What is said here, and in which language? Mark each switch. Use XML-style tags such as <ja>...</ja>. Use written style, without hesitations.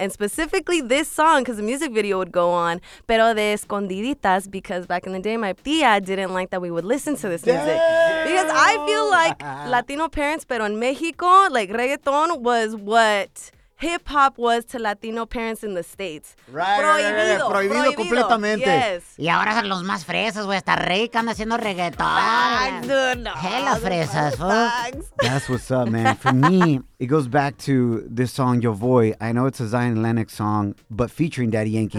<en>And specifically this song, because the music video would go on.</en> <es>Pero de escondiditas,</es> <en>because back in the day, my tía didn't like that we would listen to this music. Because I feel like Latino parents,</en> <es>pero</es> <en>in Mexico, like reggaeton was what hip-hop was to Latino parents in the States. Right,</en> <es>prohibido completamente.</es> <en>Yes.</en> <es>Y ahora son los más fresas, güey. Está Rick anda haciendo reggaeton.</es> <en>Thanks, dude, no. Hella fresas, fool. That's what's up, man. For me, it goes back to this song, Yo Voy. I know it's a Zion Lennox song, but featuring Daddy Yankee.</en>